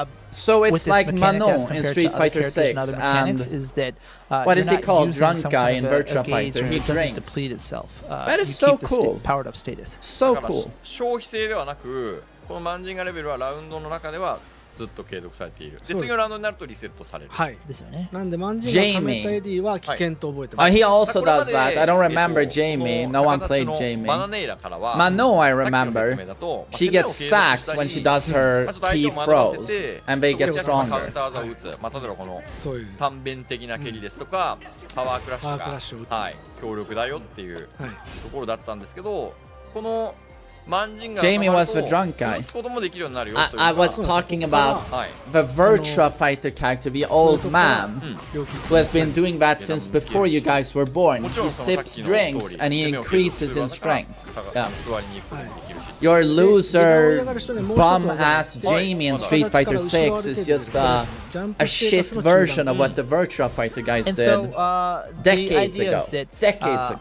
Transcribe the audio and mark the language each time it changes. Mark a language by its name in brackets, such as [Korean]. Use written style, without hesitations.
[English] so it's like Mano in Street Fighter 6 and is that what is he called, drunk guy in Virtua Fighter? He drinks. Deplete itself. That is so cool. Powered up status. So cool. [Japanese] 消費性ではなくこのマンジンガレベルはラウンドの中ではずっと継続されている。で、次のラウンドになるとリセットされる。はい。ですよね。なんで、マンジンが貯めたエディは危険と覚えてます [English] 。 He also does that. I don't remember Jamie. No one played Jamie. [Japanese] バナネイラからは、 [English] まあ、No, I remember. She gets stacks when she does her key throws. And they get stronger. [Japanese] カウンター技を打つ。まあ、例えばこの短鞭的な蹴りですとか、パワークラッシュが、はい、強力だよっていうところだったんですけど、この [English] Jamie was the drunk guy. I was talking about the Virtua Fighter character, the old man who has been doing that since before you guys were born. He sips drinks and he increases in strength. Yeah. Your loser bum ass Jamie in Street Fighter 6 is just a shit version of what the Virtua Fighter guys did decades ago.